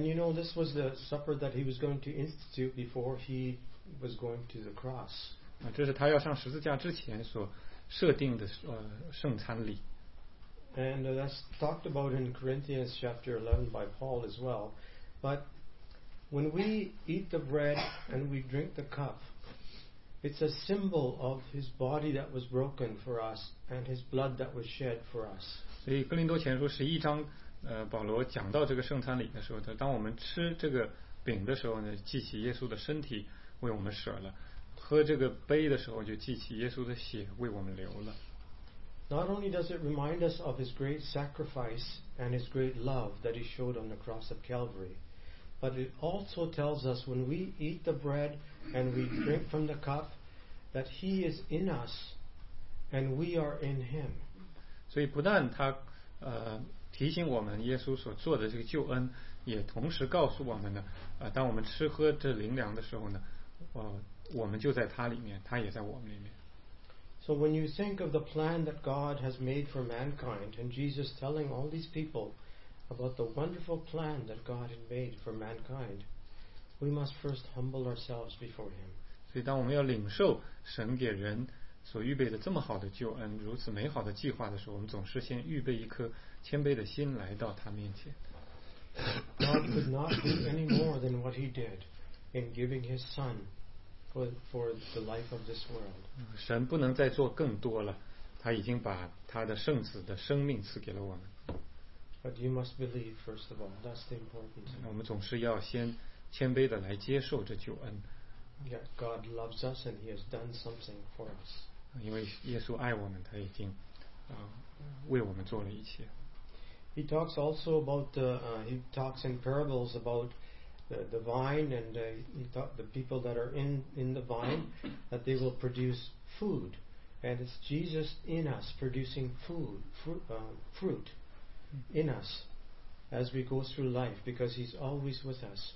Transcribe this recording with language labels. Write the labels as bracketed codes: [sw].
[en] And you know, this was the supper that he was going to institute before he was going to the cross. [zh] 这是他要上十字架之前所设定的圣餐礼。 [en] And that's talked about in Corinthians chapter 11 by Paul as well. But when we eat the bread and we drink the cup, it's a symbol of his body that was broken for us and his blood that was shed for us. [zh] 所以哥林多前书十一章保罗讲到这个圣餐礼的时候，他当我们吃这个饼的时候呢，记起耶稣的身体为我们舍了。喝这个杯的时候，就记起耶稣的血为我们流了。 [en] Not only does it remind us of his great sacrifice and his great love that he showed on the cross of Calvary, but it also tells us when we eat the bread and we drink from the cup that he is in us and we are in him. [zh] 所以不但他提醒我们耶稣所做的这个救恩，也同时告诉我们呢，当我们吃喝这灵粮的时候呢，我们就在他里面，他也在我们里面。 [en] So when you think of the plan that God has made for mankind, and Jesus telling all these people about the wonderful plan that God had made for mankind, we must first humble ourselves before Him. [zh] 所以，当我们要领受神给人所预备的这么好的救恩，如此美好的计划的时候，我们总是先预备一颗谦卑的心来到他面前。 [en] God could not do any more than what He did in giving His Son. For the life of this world. [zh] 神不能再做更多了，他已经把他的圣子的生命赐给了我们。 [en] But you must believe first of all. That's the important thing. [zh] 我们总是要先谦卑的来接受这救恩。 [en] Yet God loves us and He has done something for us. [zh] 因为耶稣爱我们，他已经为我们做了一切。 [en] He talks also about he talks in parables about. The vine and the people that are in the vine, that they will produce food, and it's Jesus in us producing fruit in us as we go through life because He's always with us.